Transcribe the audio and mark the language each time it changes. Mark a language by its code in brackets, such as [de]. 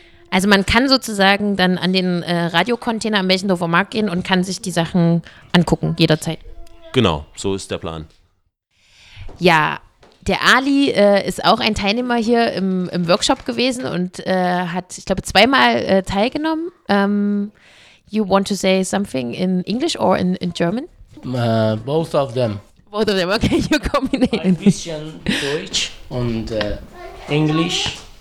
[de] Also man kann sozusagen dann an den Radiocontainer am Melchendorfer Markt gehen und kann sich die Sachen angucken, jederzeit. Genau, so ist der Plan. Ja, der Ali ist auch ein Teilnehmer hier im Workshop gewesen und hat, ich glaube, 2-mal teilgenommen. [en] You want to say something in English or in German? Both of them. Both of them, okay, you combine. [de] Ein bisschen Deutsch und Englisch.